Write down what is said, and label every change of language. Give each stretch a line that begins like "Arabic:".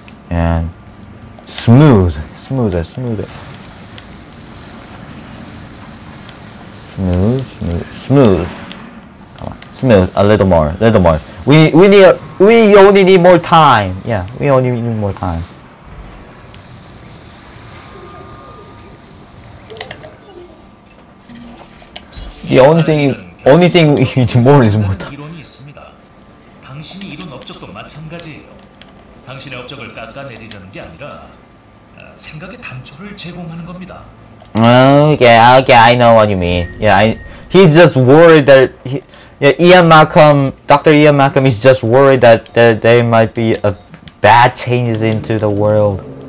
English: And smooth. Come on, a little more. We only need more time. Yeah, we only need more time. The only thing we need more is more time.
Korean: 이론이 있습니다. 당신이 이룬 업적도 마찬가지예요. 당신의 업적을 깎아내리려는 게 아니라 생각의 단초를 제공하는 겁니다.
English: Okay. I know what you mean. Yeah, he's just worried that Dr. Ian Malcolm is just worried that there might be a bad changes into the world.